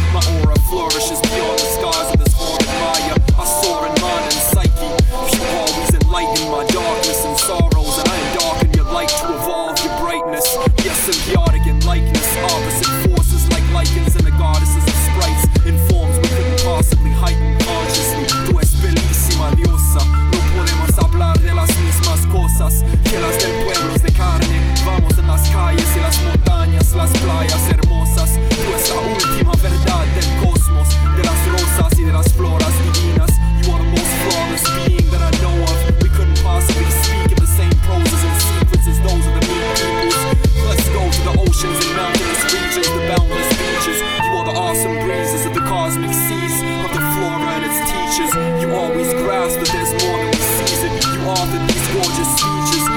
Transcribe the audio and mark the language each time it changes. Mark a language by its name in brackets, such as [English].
[English] My aura flourishes beyond the scars of this horrid Maya. I soar in mind and psyche. You should always enlighten my darkness and sorrows. And I am dark in your light to evolve your brightness. Yes, symbiotic in likeness. Opposite forces like lichens and the goddesses of sprites. In forms we couldn't possibly heighten consciously. [Spanish] Tu es bellissima diosa. No podemos hablar de las mismas cosas que las del pueblo de carne. Vamos en las calles y las montañas, las playas hermosas. Tu es la última verdad del cosmos, de las rosas y de las floras divinas. [English] You are the most flawless being that I know of. We couldn't possibly speak in the same poses and secrets as those of the mean peoples. Let's go to the oceans and mountainous reaches, the boundless beaches. You are the awesome breezes of the cosmic seas, of the flora and its teachers. You always grasp that there's more than we season. You author these gorgeous speeches.